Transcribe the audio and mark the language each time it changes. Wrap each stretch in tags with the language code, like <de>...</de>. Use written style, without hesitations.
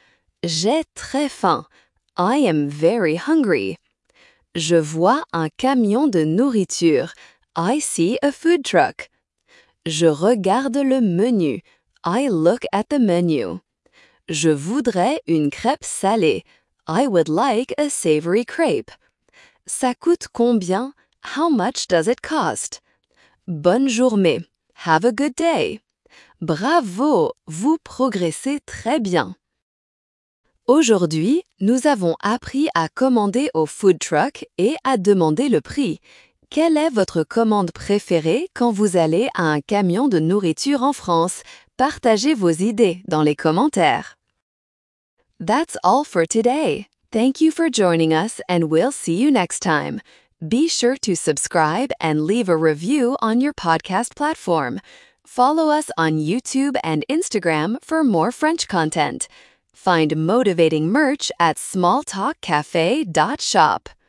<fr>« J'ai très faim !»</fr> <en>I am very hungry.</en> <fr>Je vois un camion de nourriture.</fr> <en>I see a food truck.</en> <fr>Je regarde le menu.</fr> <en>I look at the menu.</en> <fr>Je voudrais une crêpe salée.</fr> <en>I would like a savory crepe.</en> <fr>Ça coûte combien?</fr> <en>How much does it cost?</en> <fr>Bonne journée.</fr> <en>Have a good day.</en> <fr>Bravo! Vous progressez très bien. Aujourd'hui, nous avons appris à commander au food truck et à demander le prix. Quelle est votre commande préférée quand vous allez à un camion de nourriture en France? Partagez vos idées dans les commentaires.</fr> <en>That's all for today. Thank you for joining us and we'll see you next time. Be sure to subscribe and leave a review on your podcast platform. Follow us on YouTube and Instagram for more French content. Find motivating merch at smalltalkcafe.shop.</en>